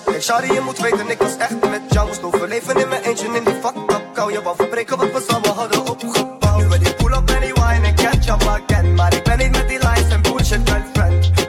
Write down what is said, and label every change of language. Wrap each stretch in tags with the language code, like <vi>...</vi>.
<nl>Hey, sorry, je moet weten, ik was echt met jou. Moest overleven in mijn eentje in die fucked up kou. Je wou verbreken wat we samen hadden opgebouwd. Nu wil je</nl> <en>pull up any wine and catch up again.</en> <nl>Maar ik ben niet met die lies en bullshit girlfriend.</nl>